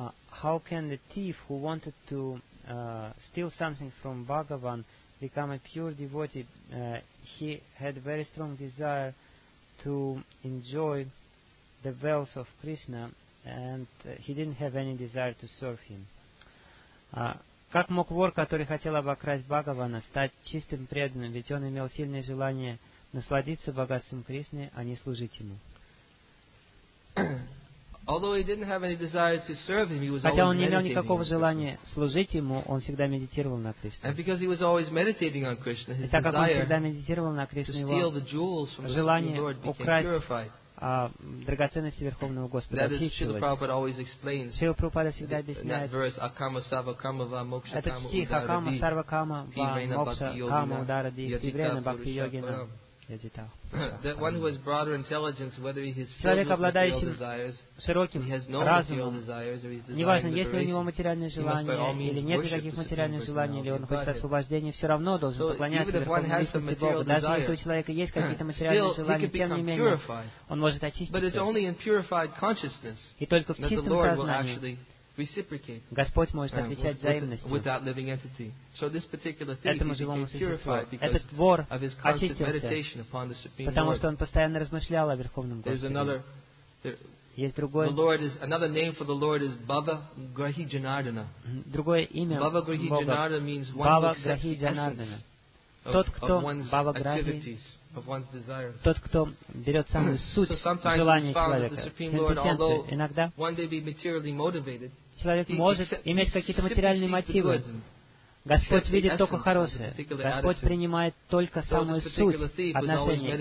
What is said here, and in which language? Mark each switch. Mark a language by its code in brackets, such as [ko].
[en] How can the thief who wanted to steal something from Bhagavan become a pure devotee? He had very strong desire to enjoy the wealth of Krishna, and he didn't have any desire to serve him. [ru] Как мог вор, который хотел обокрасть Бхагавана, стать чистым преданным, ведь он имел сильное желание насладиться богатством Кришны, а не служить ему? [en] Although he didn't have any desire to serve him, he was [ru] Хотя он не имел никакого желания служить ему, он всегда медитировал на Кришне. [en] And because he was always meditating on Krishna, his [ru] так как он всегда медитировал на Кришне, его желание украсть драгоценности Верховного Господа очистилось. Шрила Прабхупада всегда объясняет этот стих «Акама сарва кама ва мокша кама удара ди вибрена бхакти йогина». [en] That one who has broader intelligence, whether he is filled with material desires, he has no material desires, or he is desiring [ru] Неважно, есть ли у него материальные желания или нет никаких материальных желаний, или он хочет освобождения, все равно должен поклоняться Верховной Личности Бога. Даже если у человека есть какие-то материальные желания, тем не менее, он может очиститься. И только в чистом сознании Господь может отвечать взаимностью этому живому существу. Этот вор очистился, потому что он постоянно размышлял о Верховном Господе. Есть другое. [en] Another name for the Lord is Bhava Grahi Janardana. [ru] Другое имя [en] Bhava Grahi Janardana means one who accepts the essence. [ru] Тот, кто Бхава Грахи, тот, кто берет самую суть желания человека. Иногда человек может иметь какие-то материальные мотивы. Господь видит только хорошее. Господь принимает только самую суть отношения.